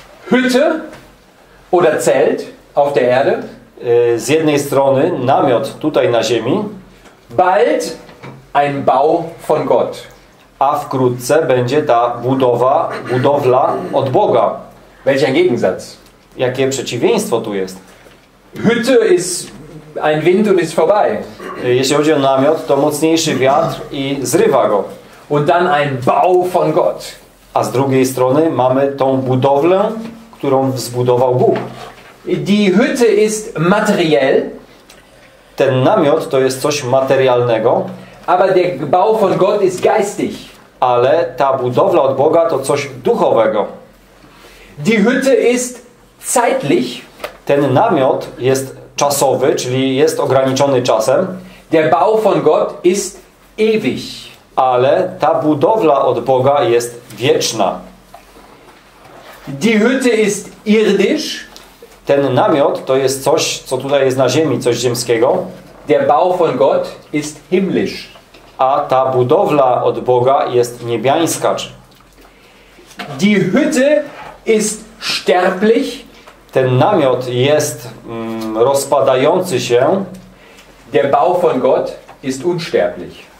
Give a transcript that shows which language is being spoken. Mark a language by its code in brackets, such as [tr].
[de] Hütte oder Zelt auf der Erde. [pl] Z jednej strony namiot tutaj na ziemi. [de] Bald ein Bau von Gott. [pl] A wkrótce będzie ta budowla od Boga. [de] Welcher Gegensatz? [pl] Jakie przeciwieństwo tu jest? [de] Hütte ist ein Wind und ist vorbei. [pl] Jeśli chodzi o namiot, to mocniejszy wiatr i zrywa go. [de] Und dann ein Bau von Gott. [pl] A z drugiej strony mamy tą budowlę, którą zbudował Bóg. [de] Die Hütte ist materiell. [pl] Ten namiot to jest coś materialnego. [de] Aber der Bau von Gott ist geistig. [pl] Ale ta budowla od Boga to coś duchowego. [de] Die Hütte ist zeitlich. [pl] Ten namiot jest czasowy, czyli jest ograniczony czasem. [de] Der Bau von Gott ist ewig. [pl] Ale ta budowla od Boga jest wieczna. [de] Die Hütte ist irdisch. [pl] Ten namiot to jest coś, co tutaj jest na ziemi, coś ziemskiego. [de] Der Bau von Gott ist himmlisch. [pl] A ta budowla od Boga jest niebiańska. [de] Die Hütte ist sterblich. [pl] Ten namiot jest rozpadający się. [de] Der Bau von Gott ist unsterblich.